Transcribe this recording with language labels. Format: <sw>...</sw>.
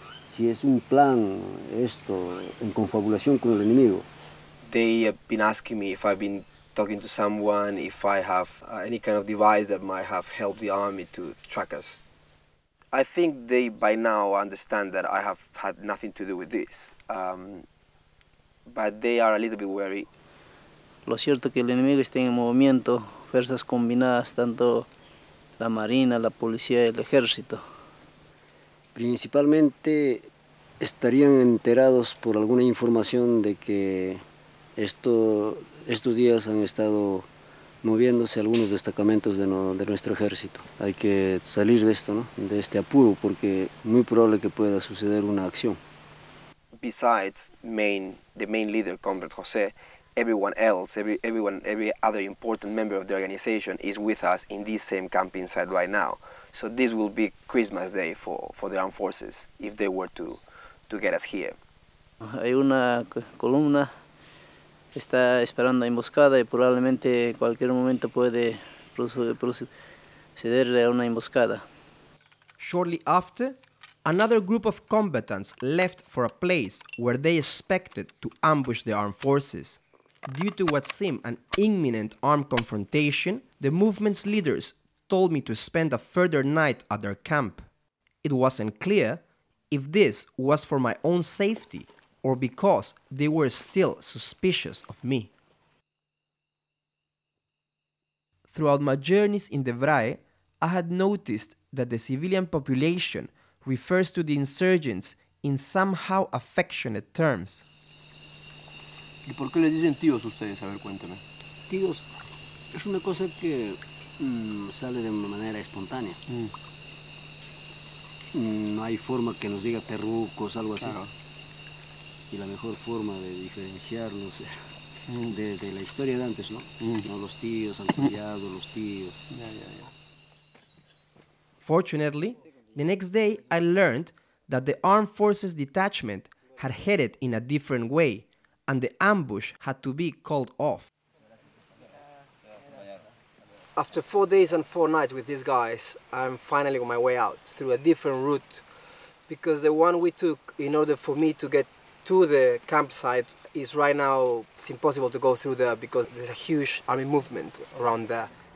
<es>Si es un plan esto en confabulación con el enemigo.</es> <en>They have been asking me if I've been talking to someone, if I have any kind of device that might have helped the army to track us. I think they by now understand that I have had nothing to do with this. But they are a little bit wary.</en> <es>Lo cierto que el enemigo está en movimiento, fuerzas combinadas, tanto la marina, la policía y el ejército. Principalmente estarían enterados por alguna información de que estos días han estado moviéndose algunos destacamentos de nuestro ejército. Hay que salir de esto, ¿no? De este apuro, porque muy probable que pueda suceder una acción.</es> <en>Besides the main leader, Comrade José, everyone else, every other important member of the organization is with us in this same camp inside right now. So this will be Christmas Day for the armed forces if they were to get us here.</en> <es>Hay una columna que está esperando emboscada y probablemente cualquier momento puede proceder a una emboscada.</es> <en>Shortly after, another group of combatants left for a place where they expected to ambush the armed forces. Due to what seemed an imminent armed confrontation, the movement's leaders told me to spend a further night at their camp. It wasn't clear if this was for my own safety or because they were still suspicious of me. Throughout my journeys in the VRAE, I had noticed that the civilian population refers to the insurgents in somehow affectionate terms.</en> <es>¿Y por qué les dicen tíos ustedes? A ver, cuéntame. Tíos, es una cosa que sale de manera espontánea. No hay forma que nos diga terrucos, algo así. Claro. Y la mejor forma de diferenciarnos de la historia de antes, ¿no? No los tíos, han criado los tíos. Ya.</es> <en>Fortunately, the next day I learned that the armed forces detachment had headed in a different way and the ambush had to be called off. After 4 days and four nights with these guys, I'm finally on my way out through a different route, because the one we took in order for me to get to the campsite is right now, it's impossible to go through there because there's a huge army movement around there.</en>